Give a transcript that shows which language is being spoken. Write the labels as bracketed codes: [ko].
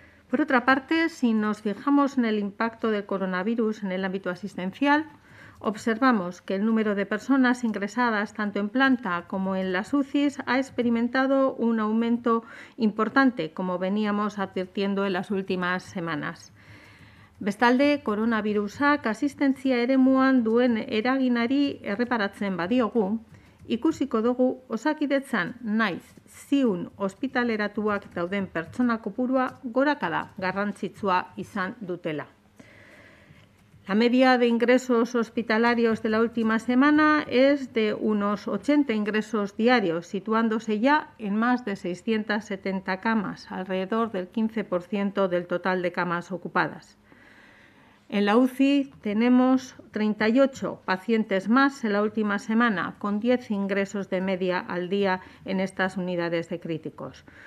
[es] Por otra parte, si nos fijamos en el impacto del coronavirus en el ámbito asistencial, observamos que el número de personas ingresadas tanto en planta como en las UCIs ha experimentado un aumento importante, como veníamos advirtiendo en las últimas semanas. [eu] Bestalde, coronavirusak asistentzia eremuan duen eraginari erreparatzen badiogu, ikusiko dugu Osakidetzan naiz ziun ospitaleratuak dauden pertsona kopurua gorakada garrantzitsua izan dutela. [es] La media de ingresos hospitalarios de la última semana es de unos 80 ingresos diarios, situándose ya en más de 670 camas, alrededor del 15% del total de camas ocupadas. En la UCI tenemos 38 pacientes más en la última semana, con 10 ingresos de media al día en estas unidades de críticos.